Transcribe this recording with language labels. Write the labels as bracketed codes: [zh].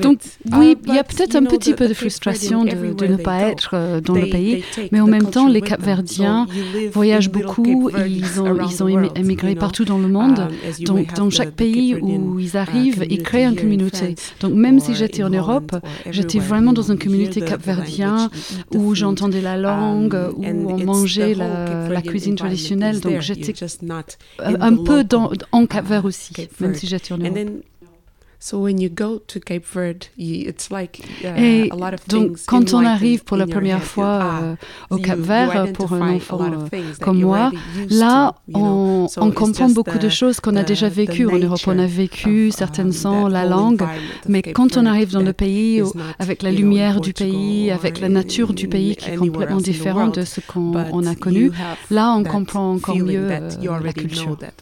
[fr] Donc oui, il y a peut-être un petit peu de frustration de ne pas être dans le pays, mais en même temps, les Capverdiens voyagent beaucoup, ils ont émigré partout dans le monde, donc dans chaque pays où ils arrivent, ils créent une communauté. Donc même si j'étais en Europe, j'étais vraiment dans une communauté capverdienne où j'entendais la langue, où on mangeait la cuisine traditionnelle, donc j'étais un peu en Cap-Vert aussi, même si j'étais en Europe. [en] So when you go to Cape Verde, you, it's like a lot of donc, things. [fr] Quand on arrive pour la première fois au Cap Vert pour un enfant comme moi, là, on comprend beaucoup de choses qu'on a déjà vécues en Europe. On a vécu certaines sons, la langue, mais quand on arrive dans le pays avec la lumière du pays, avec la nature du pays qui est complètement différente de ce qu'on a connu, là, on comprend encore mieux la culture.